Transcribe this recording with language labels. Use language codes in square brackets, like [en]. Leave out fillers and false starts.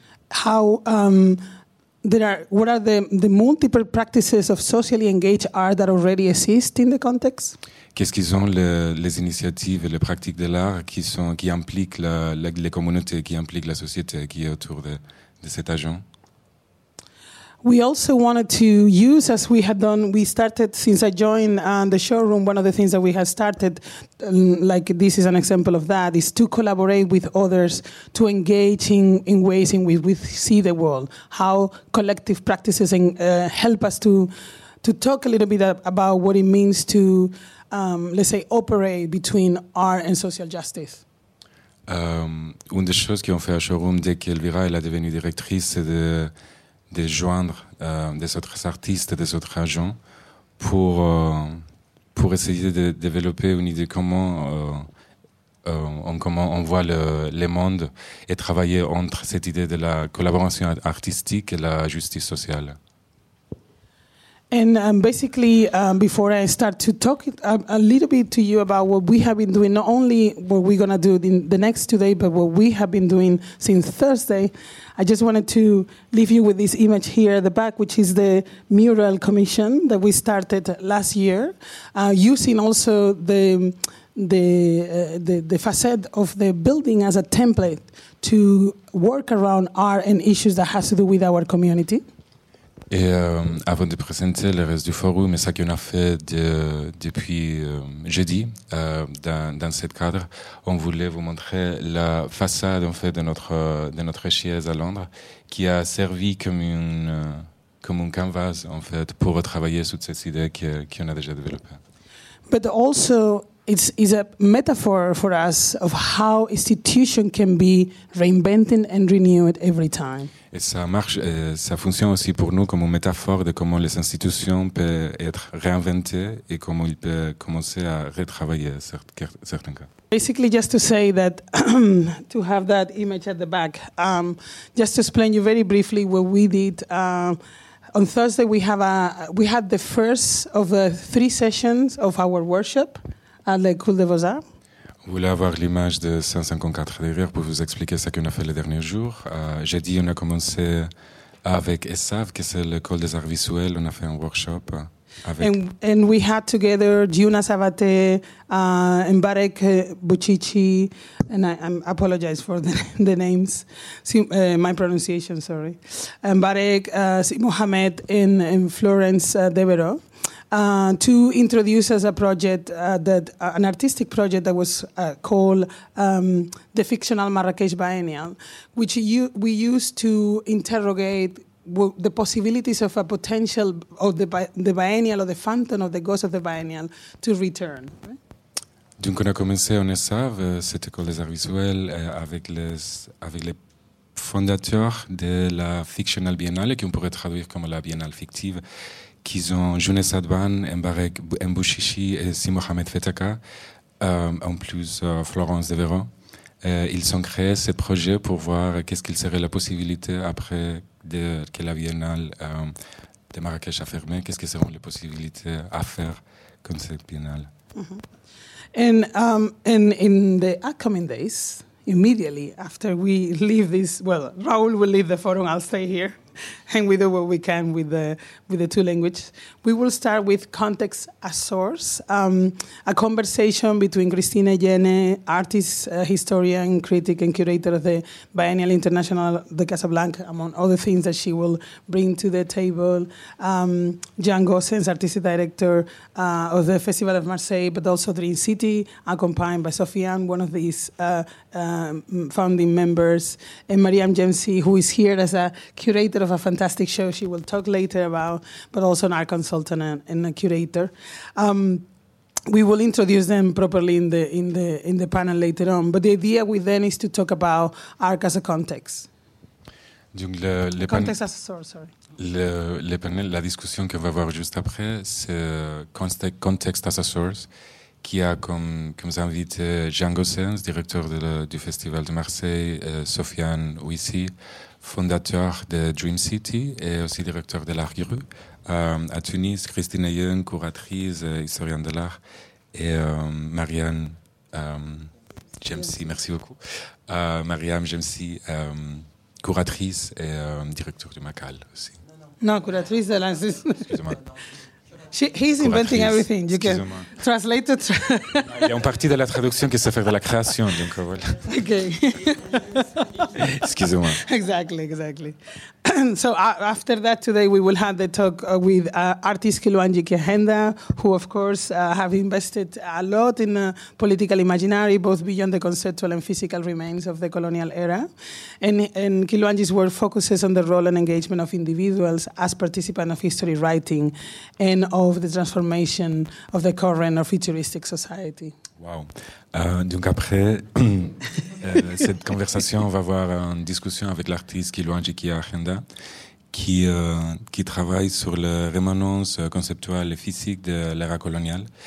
[en] How there are, what are the multiple practices of socially engaged art that already exist in the context? [fr] Qu'est-ce qu'ils ont les initiatives et les pratiques de l'art qui impliquent les communautés, qui impliquent la société qui est autour de cet agent? [en] We also wanted to use, as we had done, we started since I joined the showroom, one of the things that we had started, like this is an example of that, is to collaborate with others, to engage in ways in which we see the world, how collective practices help us to talk a little bit about what it means to, let's say, operate between art and social justice. [fr] Une des choses qu'on fait à showroom dès qu'Elvira elle a devenu directrice, c'est de joindre des autres artistes, des autres agents pour essayer de développer une idée comment comment on voit le monde et travailler entre cette idée de la collaboration artistique et la justice sociale. [en] And basically, before I start to talk a little bit to you about what we have been doing, not only what we're going to do in the next 2 days, but what we have been doing since Thursday, I just wanted to leave you with this image here at the back, which is the mural commission that we started last year, using also the facade of the building as a template to work around art and issues that has to do with our community. [fr] Et avant de présenter le reste du forum et ce qu'on a fait depuis jeudi dans ce cadre, on voulait vous montrer la façade en fait de notre chaise à Londres qui a servi comme un canvas en fait pour travailler sur cette idée qu'on a déjà développée. [en] But also it's a metaphor for us of how institutions can be reinvented and renewed every time. [fr] Et ça marche, ça fonctionne aussi pour nous comme une métaphore de comment les institutions peuvent être réinventées et comment ils peuvent commencer à retravailler certains cas. [en] Basically, just to say that, to have that image at the back, just to explain you very briefly what we did. On Thursday, we had the first of the three sessions of our workshop at the Cool de Vosa. [fr] On voulait avoir l'image de 154 derrière pour vous expliquer ce qu'on a fait les derniers jours. Jeudi, on a commencé avec ESAV, qui est l'école des arts visuels. On a fait un workshop avec. [en] And we had together Giuna Savate, Mbarek Bucici, and I apologize for the names, my pronunciation, sorry. Mbarek Mohamed and Florence Devereaux. To introduce us a project an artistic project that was called the Fictional Marrakech Biennial, which we used to interrogate the possibilities of a potential of the biennial or the phantom of the ghost of the biennial to return. [fr] Donc on a commencé en ESAV, cette école des arts visuels, avec les fondateurs de la Fictional Biennale, qu'on pourrait traduire comme la Biennale fictive. Qu'ils ont Jounes Adban, Mbarek Mbouchichi et Si Mohamed Fetaka, en plus Florence Devereaux. Ils ont créé ce projet pour voir qu'est-ce qu'il serait la possibilité après que la biennale de Marrakech a fermé, qu'est-ce que seront les possibilités à faire comme cette biennale. Mm-hmm. [en] And in the upcoming days, immediately after we leave this, well, Raoul will leave the forum, I'll stay here. and we do what we can with the two languages. We will start with context as source, a conversation between Cristina Jenne, artist, historian, critic, and curator of the Biennial International de Casablanca, among other things that she will bring to the table, Jan Gossens, artistic director of the Festival of Marseille, but also Dream City, accompanied by Sofiane, one of these founding members, and Mariam Jemsi, who is here as a curator of a fantastic show she will talk later about, but also an art consultant and a curator. We will introduce them properly in the panel later on. But the idea with them is to talk about art as a context. [fr] Donc le [en] context as a source, sorry. [fr] Le panel, la discussion qu'on va avoir juste après, c'est [en] context as a source, [fr] qui a comme invité Jan Gossens, directeur du Festival de Marseille, Sofiane Ouissi, fondateur de Dream City et aussi directeur de l'Art Grue à Tunis, Christine Ayen, curatrice, historienne de l'art, et Marianne Jemsi, merci beaucoup. Marianne Jemsi, curatrice et directeur du Macal aussi. Non, curatrice de l'Institut. Excusez-moi. [en] He's inventing everything. You can translate it. [fr] Il y a une partie de la traduction qui s'est faite de la création, donc voilà. [en] Okay. [fr] Excusez-moi. [en] Exactly. So after that, today we will have the talk with artist Kilwanji Kehenda, who of course have invested a lot in political imaginary, both beyond the conceptual and physical remains of the colonial era. And Kilwanji's work focuses on the role and engagement of individuals as participants of history writing and of the transformation of the current or futuristic society. Wow. [fr] Donc après cette conversation, on va avoir une discussion avec l'artiste Kilwanji Kehenda, qui travaille sur la rémanence conceptuelle et physique de l'ère coloniale.